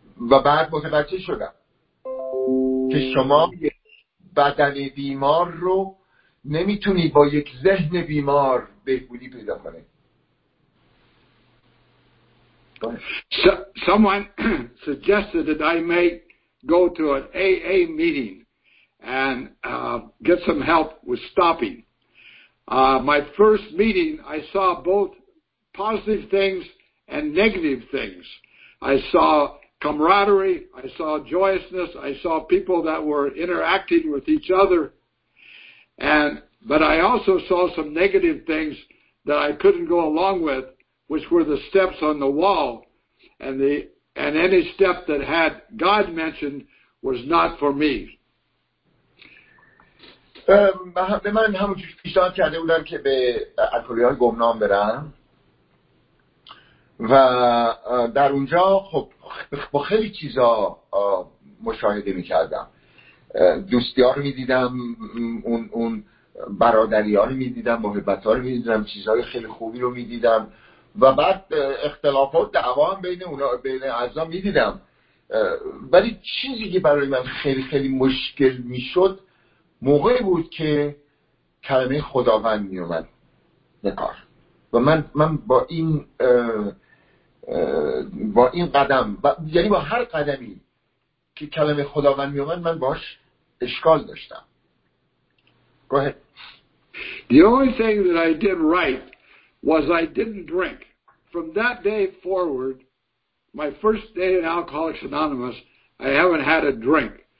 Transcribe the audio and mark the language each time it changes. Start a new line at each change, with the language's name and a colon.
Persian: و بعد متوجه شدم که شما بدن بیمار رو نمیتونی با یک ذهن بیمار بهبودی پیدا کنی.
English: Someone suggested that I may go to an AA meeting and get some help with stopping. My first meeting, I saw both positive things and negative things. I saw camaraderie, I saw joyousness, I saw people that were interacting with each other. But I also saw some negative things that I couldn't go along with, which were the steps on the wall, and any step that had God mentioned was not for me.
Persian: به من همونجور پیشنهاد کرده بودن که به الکلیان گمنام برم و در اونجا خب با خیلی چیزا مشاهده میکردم، دوستی ها رو میدیدم، اون برادری ها رو میدیدم، محبت ها رو میدیدم، چیزهای خیلی خوبی رو میدیدم و بعد اختلافات دعوا هم بین اونا بین اعضا میدیدم، ولی چیزی که برای من خیلی خیلی مشکل میشد موقعی بود که کلمه خداوند میومد به کار و من با این قدم یعنی با هر قدمی که کلمه خداوند میومد من باش اشکال داشتم.
English: Go ahead. The only thing that I did right was I didn't drink. From that day forward, my first day in Alcoholics Anonymous, I haven't had a drink.